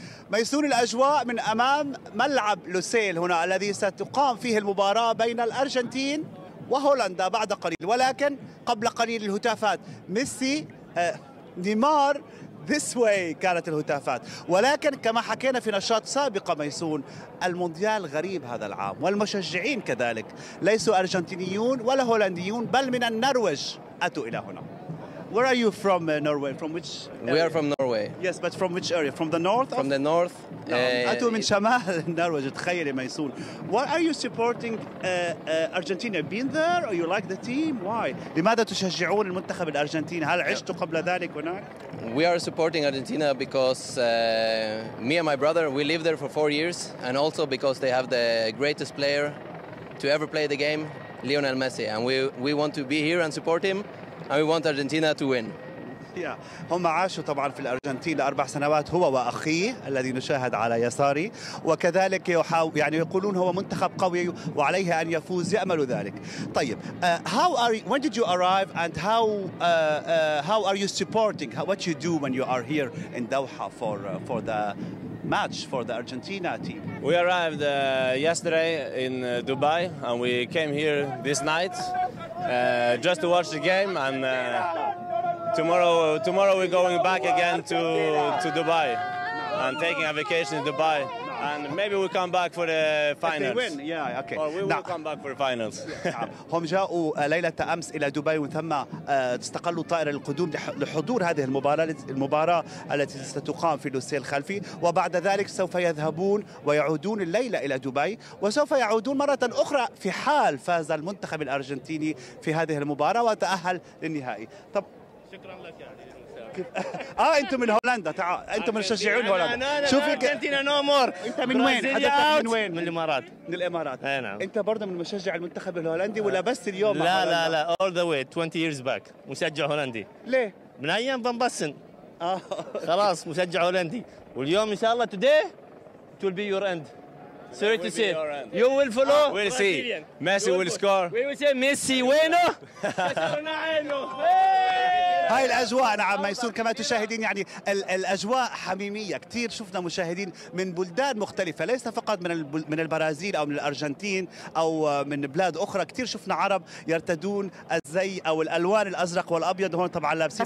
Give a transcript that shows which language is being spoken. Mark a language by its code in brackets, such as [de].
[ar] ميسون، الأجواء من أمام ملعب لوسيل هنا الذي ستقام فيه المباراة بين الأرجنتين وهولندا بعد قليل، ولكن قبل قليل الهتافات ميسي نيمار [en] This way [ar] كانت الهتافات. ولكن كما حكينا في نشاط سابق ميسون، المونديال غريب هذا العام، والمشجعين كذلك ليسوا أرجنتينيون ولا هولنديون بل من النرويج أتوا إلى هنا. [en] Where are you from, Norway? From which area? We are from Norway. Yes, but from which area? From the north? From the north. [ar] أتوا من شمال النرويج. تخيلي ميسون. [en] Why are you supporting Argentina? Been there? Or you like the team? Why? [ar] لماذا تشجعون المنتخب الأرجنتيني؟ هل عشتوا قبل ذلك هناك؟ [en] We are supporting Argentina because me and my brother, we lived there for 4 years. And also because they have the greatest player to ever play the game, Lionel Messi. And we want to be here and support him. And we want Argentina to win. Yeah. [ar] هم عاشوا طبعا في الأرجنتين 4 سنوات، هو وأخيه الذي نشاهد على يساري، وكذلك يعني يقولون هو منتخب قوي وعليه أن يفوز، يأمل ذلك. [en] طيب how are you, when did you arrive and how are you supporting what you do when you are here in Doha for the match for the Argentina team? We arrived yesterday in Dubai and we came here this night just to watch the game, and tomorrow we're going back again to Dubai and taking a vacation in Dubai, and maybe we come back for the finals. If they win, yeah, okay. Or we will come back for the finals. [ar] هم جاءوا ليلة أمس إلى دبي، ومن ثم استقلوا طائرة للقدوم لحضور هذه المباراة التي ستقام في لوسيل الخلفي، وبعد ذلك سوف يذهبون ويعودون الليلة إلى دبي، وسوف يعودون مرة أخرى في حال فاز المنتخب الأرجنتيني في هذه المباراة وتأهل للنهائي. طب شكرا لك. يعني انتم من هولندا، تعال انتم من مشجعين هولندا. شوف ارجنتينا نو مور. انت من وين؟ من وين؟ من الامارات. من الامارات. اي نعم. انت برضه من مشجع المنتخب الهولندي ولا بس اليوم؟ لا لا لا، اول ذا واي [en] 20 years back [ar] مشجع هولندي. ليه؟ من ايام فان باسن. خلاص مشجع هولندي، واليوم ان شاء الله [en] today it will be your end. Sorry to say, you will follow. We'll see. Messi will score. We will say Messi [ar] وينه؟ كسرنا عينه. هاي الأجواء. نعم ميسون، كما تشاهدين يعني الأجواء حميمية كثير. شفنا مشاهدين من بلدان مختلفة، ليس فقط من البرازيل أو من الأرجنتين أو من بلاد أخرى، كثير شفنا عرب يرتدون الزي أو الألوان الأزرق والأبيض، هون طبعا لابسين